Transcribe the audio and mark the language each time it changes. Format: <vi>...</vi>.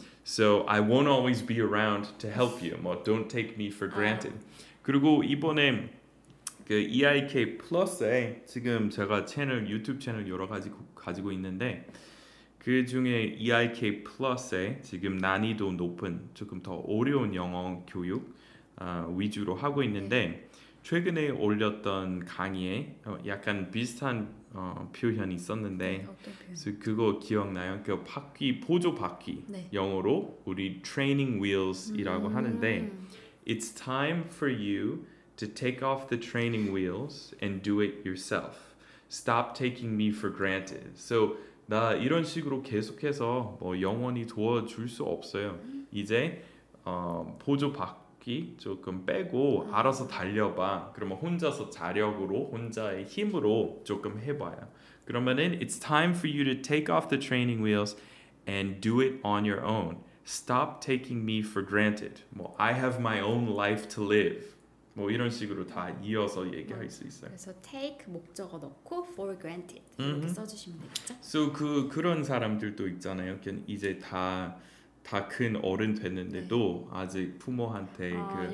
<en>So, I won't always be around to help you. 뭐, don't take me for granted.</en> <ko>그리고 이번에 그 EiK Plus에 지금 제가 채널, 유튜브 채널 여러 가지 가지고 있는데 그 중에 EiK Plus에 지금 난이도 높은 조금 더 어려운 영어 교육 위주로 하고 있는데 최근에 올렸던 강의에 약간 비슷한 표현이 있었는데 그래서 그거 기억나요? 그 바퀴, 보조 바퀴 네. 영어로 우리</ko> <en>training wheels</en> <ko>이라고 하는데</ko> <en>It's time for you to take off the training wheels and do it yourself. Stop taking me for granted.</en> <ko>So 나 이런 식으로 계속해서 뭐 영원히 도와줄 수 없어요. 이제 보조 바퀴 조금 빼고 알아서 달려봐. 그러면 혼자서 자력으로 혼자의 힘으로 조금 해봐요. 그러면은</ko> <en>It's time for you to take off the training wheels and do it on your own. Stop taking me for granted. 뭐, I have my own life to live.</en> <ko>뭐 이런 식으로 다 이어서 얘기할 수 있어요. 그래서 take 목적어 넣고 for granted 이렇게 써주시면 되겠죠. So 그런 사람들도 있잖아요. 이제 다 큰 어른 됐는데도 네. 아직 부모한테 그</ko>